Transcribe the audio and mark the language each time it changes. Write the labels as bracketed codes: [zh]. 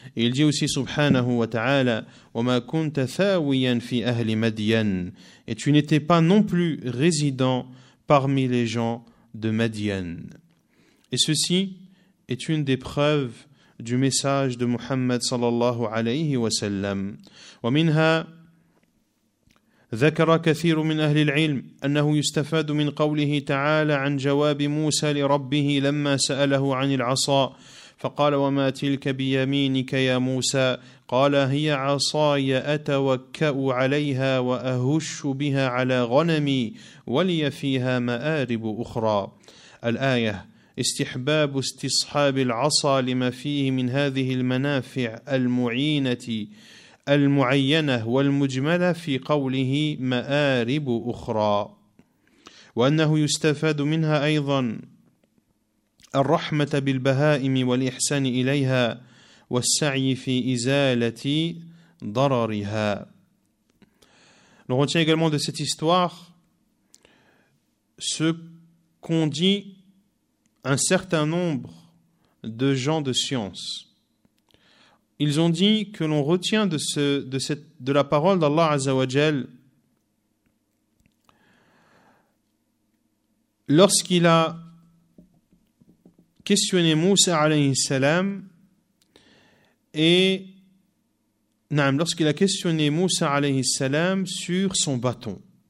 [fr] Et il dit aussi subhanahu wa ta'ala [ar] وَمَا كُنْتَ ثَاوِيًا فِي أَهْلِ مَدْيَنَ [fr] Et tu n'étais pas non plus résident parmi les gens de Madian. Et ceci est une des preuves du message de Muhammad sallallahu alayhi wa sallam. [ar] وَمِنْهَا ذكر كثير من أهل العلم أنه يستفاد من قوله تعالى عن جواب موسى لربه لما سأله عن العصا فقال وما تلك بيمينك يا موسى قال هي عصاي أتوكأ عليها وأهش بها على غنمي ولي فيها مآرب أخرى الآية استحباب استصحاب العصا لما فيه من هذه المنافع المعينة المعينة والمجملة في قوله مآرب أخرى وأنه يستفاد منها أيضا الرحمة بالبهائم والإحسان إليها والسعي في إزالة ضررها. [fr] Nous retenons également de cette histoire ce qu'ont dit un certain nombre de gens de science. Ils ont dit que l'on retient de la parole d'Allah Azza wa Jal lorsqu'il a questionné Moussa alayhi salam et lorsqu'il a questionné Moussa alayhi salam sur son bâton.